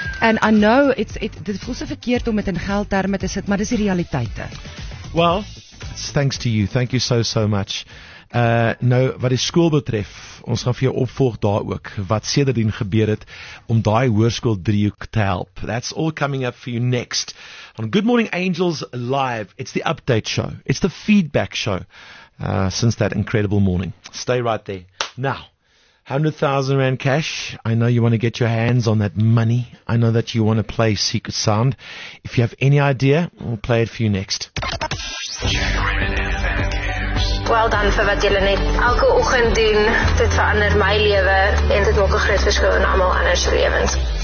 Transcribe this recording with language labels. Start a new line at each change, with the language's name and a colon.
English: And I know,
Afrikaans: dit voel so verkeerd om het in geld daarmee te sit, maar dit is die realiteite.
English: Well, it's thanks to you. Thank you so, so much.
Afrikaans: Nou, wat die school betref, ons gaan vir jou opvolg daar ook, wat sedertdien gebeur het, om die hoërskool driehoek te help.
English: That's all coming up for you next on Good Morning Angels Live. It's the update show. It's the feedback show since that incredible morning. Stay right there. Now, 100,000 rand cash. I know you want to get your hands on that money. I know that you want to play Secret Sound. If you have any idea, we'll play it for you next. Well done
Afrikaans: vir wat julle net elke oggend doen. Dit verander my lewe en dit maak 'n groot verskil in almal anders se lewens.